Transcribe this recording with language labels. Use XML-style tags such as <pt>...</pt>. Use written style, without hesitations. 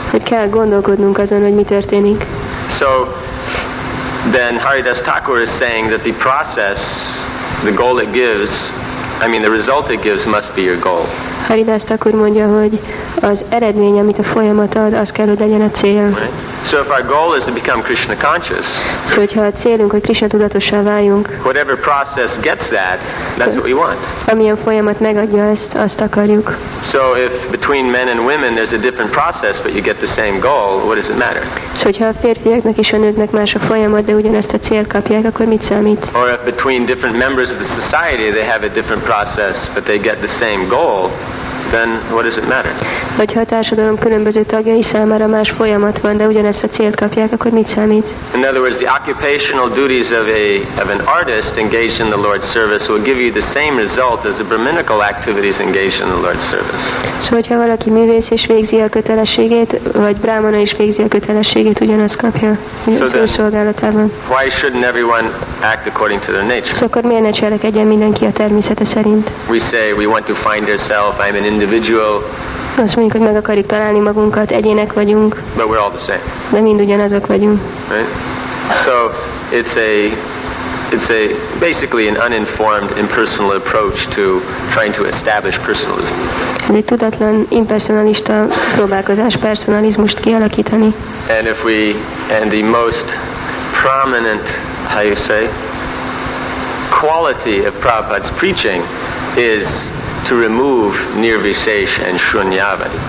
<hu>Hogy kell gondolkodnunk azon, hogy mi történik.</hu> <en>So then Haridas Thakur is saying that the process, the goal it gives, I mean the result it gives must be your goal.</en> <hu>Haridas Thakur mondja, hogy az eredmény, amit a folyamat ad, az kell, hogy legyen a cél.</hu> <en>So if our goal is to become Krishna conscious,</en> <hu>so hogyha a célunk, hogy Krishna tudatossá váljunk,</hu> <en>whatever process gets that, that's what we want.</en> <hu>Amilyen folyamat megadja ezt, azt akarjuk.</hu> <en>So if between men and women there's a different process, but you get the same goal, what does it matter?</en> <hu>So hogyha a férfiaknak és a nőknek más a folyamat, de ugyanezt a célt kapják, akkor mit számít?</hu> <en>Or if between different members of the society they have a different process, but they get the same goal, then what does it matter?</en> <hu>Vagy ha a társadalom különböző tagjai számára más folyamat van, de ugyanezt a célt kapják, akkor mit számít?</hu> <en>In other words, the occupational duties of an artist engaged in the Lord's service will give you the same result as the brahminical activities engaged in the Lord's service.</en> <hu>Szóval, hogyha valaki művész és végzi a kötelességét, vagy brámana is végzi a kötelességét, ugyanazt kapja a szolgálatában.</hu> <en>Why shouldn't everyone act according to their nature?</en> <hu>Szóval, akkor miért ne cselekedjen mindenki a természete szerint?</hu> <en>We say we want to find ourselves. I'm an individual.</en> <hu>Azt mondjuk, hogy meg akarjuk találni magunkat, egyének vagyunk.</hu> <en>But we're all the same.</en> <hu>De mind ugyanazok vagyunk.</hu> <en>Right? So it's a basically an uninformed, impersonal approach to trying to establish personalism.</en> <hu>Ez egy tudatlan, impersonalista próbálkozás personalizmust kialakítani.</hu> <en>And if we and the most prominent, how you say, quality of Prabhupada's preaching is to remove nirvishesh and shunyavadi.</en>